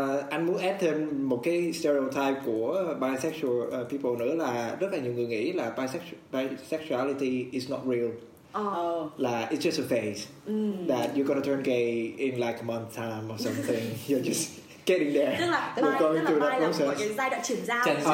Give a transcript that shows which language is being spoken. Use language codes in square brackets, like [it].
[vi] Anh muốn add thêm một cái stereotype của bisexual people nữa là rất là nhiều người nghĩ là [en] bisexuality is not real. [vi] Là [en] it's just a phase. That you're gonna turn gay in like a month time or something. You're just getting there. [vi] Tức là bi là một cái giai đoạn chuyển giao.